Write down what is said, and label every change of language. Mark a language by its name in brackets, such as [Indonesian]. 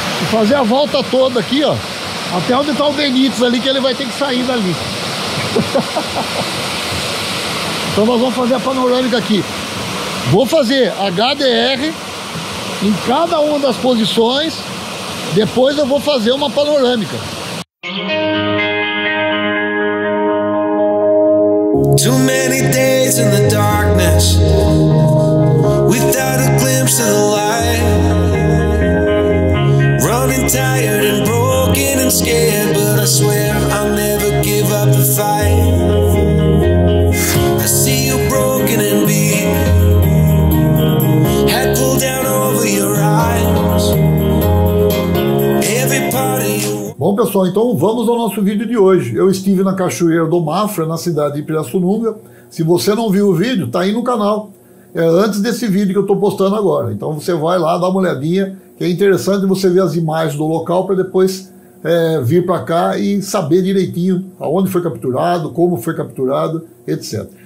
[Portuguese] Fazer a volta toda aqui, ó, até onde tá o Benítez ali, que ele vai ter que sair dali. Então nós vamos fazer a panorâmica aqui. Vou fazer HDR em cada uma das posições, depois eu vou fazer uma panorâmica. [English] Too many days in the darkness, without a glimpse of the light. Tired and broken and scared, but I swear I'll never give up the fight. I see you broken and beat, head pulled down over your eyes. Every part of you. [Portuguese] Bom pessoal, então vamos ao nosso vídeo de hoje. Eu estive na Cachoeira do Mafra, na cidade de Pirassununga. Se você não viu o vídeo, tá aí no canal. É antes desse vídeo que eu estou postando agora. Então você vai lá, dá uma olhadinha, que é interessante você ver as imagens do local para depois vir para cá e saber direitinho aonde foi capturado, como foi capturado, etc.